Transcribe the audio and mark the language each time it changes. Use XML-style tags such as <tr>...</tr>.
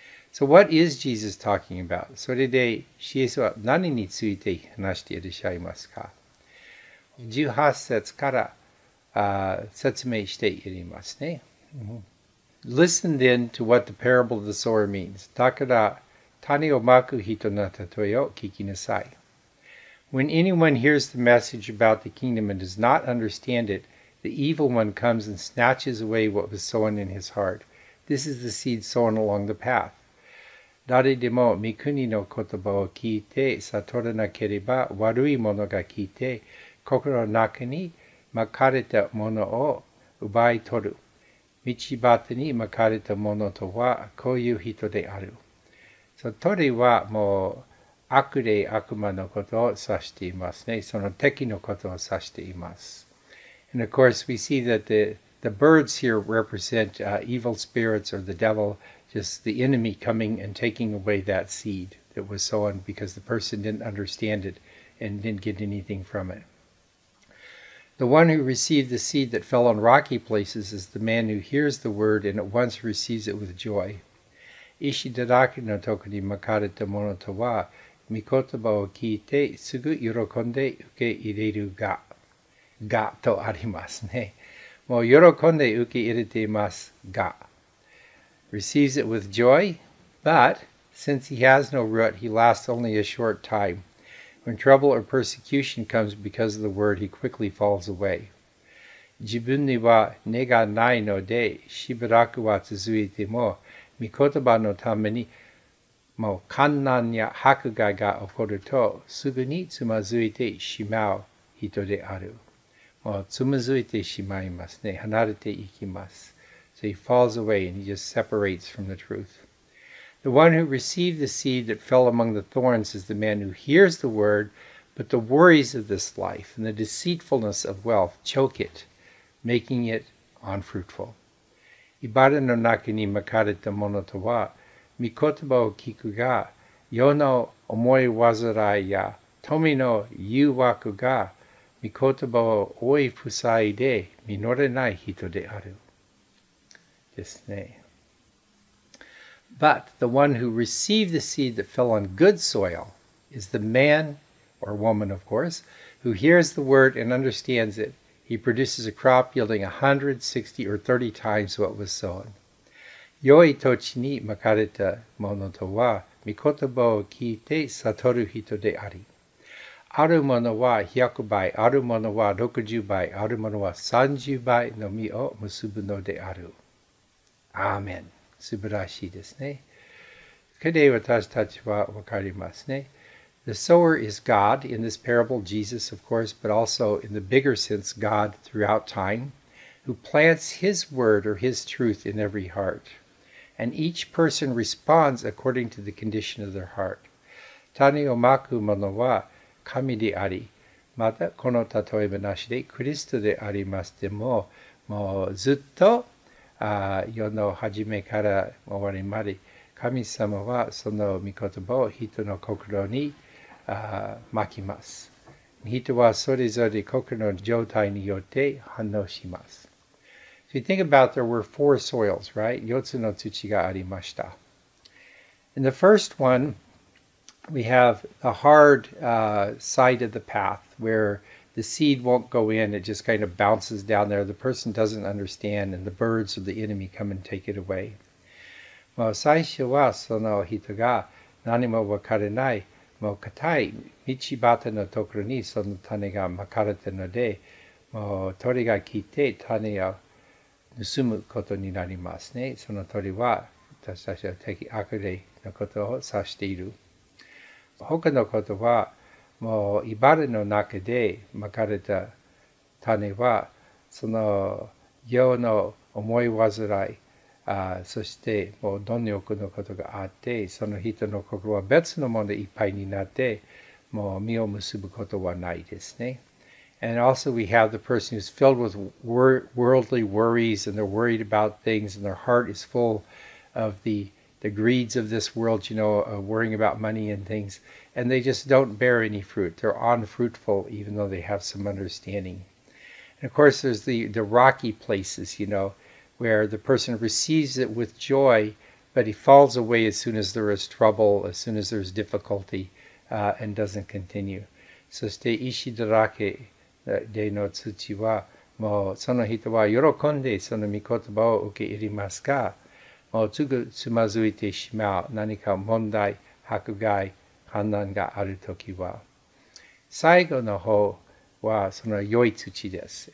<en>So what is Jesus talking about?</en> <ja>それで、イエスは何について話していらっしゃいますか ?18 節から説明していりますね。 Mm-hmm.</ja> <en>Listen then to what the parable of the sower means.</en> <ja>だから、種をまく人の例えを聞きなさい。</ja> <en>When anyone hears the message about the kingdom and does not understand it, the evil one comes and snatches away what was sown in his heart. This is the seed sown along the path.</en> <ja>誰でも御国の言葉を聞いて悟らなければ悪いものが聞いて心の中にまかれたものを奪い取る。道端にまかれたものとはこういう人である。鳥はもう悪霊悪魔のことを指していますね。その敵のことを指しています。</ja> <en>And of course we see that the birds here represent evil spirits or the devil. Just the enemy coming and taking away that seed that was sown because the person didn't understand it and didn't get anything from it. The one who received the seed that fell on rocky places is the man who hears the word and at once receives it with joy.</en> <ja>石だらけのところにまかれたものとは、御言葉を聞いてすぐ喜んで受け入れるが、がとありますね。もう喜んで受け入れていますが。</ja> <en>Receives it with joy, but Since he has no root, he lasts only a short time. When trouble or persecution comes because of the word, he quickly falls away.</en> <ja>自分には根がないので、しばらくは続いても、御言葉のために、もう観難や迫害が起こると、すぐにつまずいてしまう人である。もうつまずいてしまいますね。離れていきます。</ja> <en>So he falls away and he just separates from the truth. The one who received the seed that fell among the thorns is the man who hears the word, but the worries of this life and the deceitfulness of wealth choke it, making it unfruitful.</en> <ja>茨の中にまかれたものとは、御言葉を聞くが、世の思い患いや富の誘惑が、御言葉を追い塞いで実れない人である。ですね。</ja> <en>But the one who received the seed that fell on good soil is the man, or woman of course, who hears the word and understands it. He produces a crop yielding 100, 60, or 30 times what was sown.</en> <ja>良い土地にまかれたものとは、御言葉を聞いて悟る人であり。あるものは100倍、あるものは60倍、あるものは30倍の実を結ぶのである。アーメン。素晴らしいですね。これで私たちはわかりますね。</ja> <en>The sower is God in this parable, Jesus, of course, but also in the bigger sense, God throughout time, who plants his word or his truth in every heart. And each person responds according to the condition of their heart.</en> <ja>種をまく者は神であり、またこの例え話でクリストでありますでも、もうずっと世の初めから終わりまで、神様はその御言葉を人の心に巻きます。人はそれぞれ心の状態によって反応します。</ja> <en>So you think about there were four soils, right?</en> <ja>四つの土がありました。</ja> <en>In the first one, we have the hard side of the path where the seed won't go in. It just kind of bounces down there. The person doesn't understand and the birds or the enemy come and take it away.</en> <ja>もう最初はその人が何もわからない。もう硬い道端のところにその種がまかれたので、もう鳥が来て種を盗むことになりますね。その鳥は私たちは敵悪霊のことを指している。他のことは、もう茨の中でまかれた種は、その世の思い患い、そしてもう貪欲のことがあって、その人の心は別のものでいっぱいになって、もう実を結ぶことはないですね。</ja> <en>And also we have the person who's filled with worldly worries and they're worried about things and their heart is full of the greeds of this world, you know, worrying about money and things, and they just don't bear any fruit. They're unfruitful, even though they have some understanding. And of course, there's the rocky places, you know, where the person receives it with joy, but he falls away as soon as there is trouble, as soon as there's difficulty, and doesn't continue.</en> <ja>そして石だらけでの土は、もうその人は喜んでその御言葉を受け入れますか? もうすぐつまずいてしまう。何か問題、迫害、困難があるときは。最後の方はその良い土です。</ja>